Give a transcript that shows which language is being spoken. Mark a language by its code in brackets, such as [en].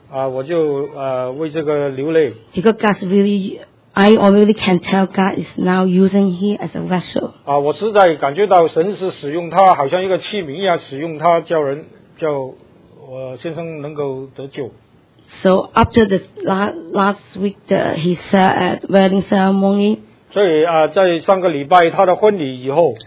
[zh] 我就为这个流泪。 [en] Because God's really. I already can tell God is now using him as a vessel. [zh] 我实在感觉到神是使用他，好像一个器皿一样使用他，叫我先生能够得救。 [en] So after the last week, he said at wedding ceremony. [zh] 所以在上个礼拜他的婚礼以后。